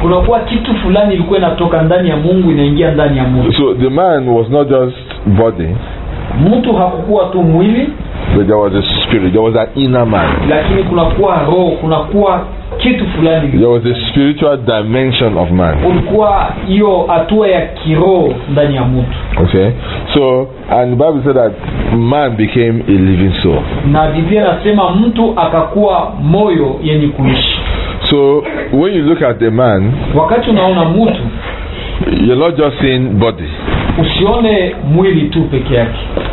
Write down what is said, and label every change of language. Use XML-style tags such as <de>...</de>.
<sw>Kulikuwa kitu fulani ilikuwa inatoka ndani ya Mungu inaingia ndani ya mtu.</sw> <en>So the man was not just body.</en> <sw>Mtu hakukuwa tu mwili.</sw> <en>But there was a spirit, there was an inner man.</en> <sw>Lakini kulikuwa roho, kulikuwa kitu fulani.</sw> <en>There was a spiritual dimension of man.</en> <sw>Ulikuwa hiyo hatua ya kiroho ndani ya mtu.</sw> <en>Okay. So, and the Bible said that man became a living soul.</en> <sw>Na Biblia inasema mtu akakuwa moyo yenye kuishi.</sw> <en>So, when you look at the man,</en> <sw>wakati unaona mtu,</sw> <en>you're not just seeing body.</en> <sw>Usione mwili tu peke yake.</sw>